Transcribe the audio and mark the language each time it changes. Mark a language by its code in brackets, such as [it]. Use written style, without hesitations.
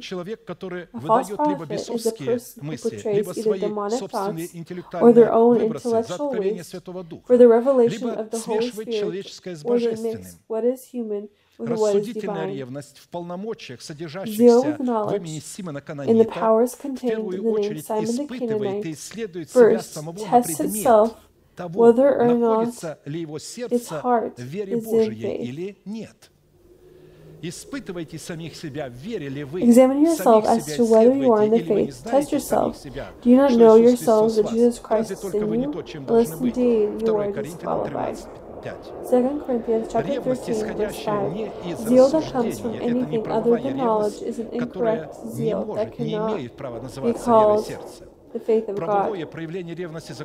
[en] A false prophet is a person who portrays either demonic thoughts or their own intellectual ways for the revelation of the Holy Spirit, or they mix what is human with what is divine. Zeal with knowledge in the powers contained in the name Simon the Canaanite first tests itself whether or not its heart is in faith. [ru] Испытывайте самих себя, верили ли вы? [en] Examine yourself as to whether you are in the faith. Test yourself. Do you not know yourselves that Jesus Christ is in you? Unless indeed you are disqualified. 2 Corinthians chapter 13, verse 5. Zeal that comes from anything other than knowledge is an incorrect zeal that cannot be called the faith of God.